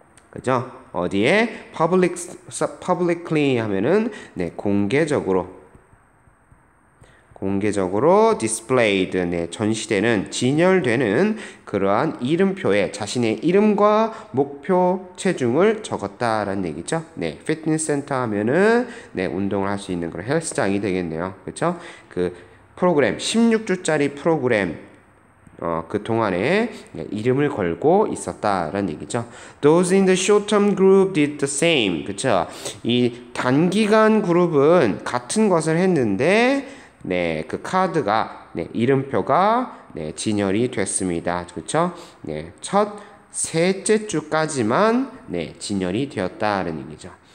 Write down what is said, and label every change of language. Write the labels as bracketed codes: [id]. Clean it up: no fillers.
[ko] 그죠? 어디에 publicly 하면은 네, 공개적으로 displayed 네, 전시되는 진열되는 그러한 이름표에 자신의 이름과 목표 체중을 적었다라는 얘기죠. 네, 피트니스 센터 하면은 네, 운동을 할수 있는 그런 헬스장이 되겠네요. 그렇죠? 그 프로그램 16주짜리 프로그램 그 동안에 이름을 걸고 있었다라는 얘기죠. [en] Those in the short-term group did the same. [ko] 그쵸? 이 단기간 그룹은 같은 것을 했는데, 네, 그 카드가, 네, 이름표가, 네, 진열이 됐습니다. 그쵸? 네, 첫 셋째 주까지만, 네, 진열이 되었다라는 얘기죠.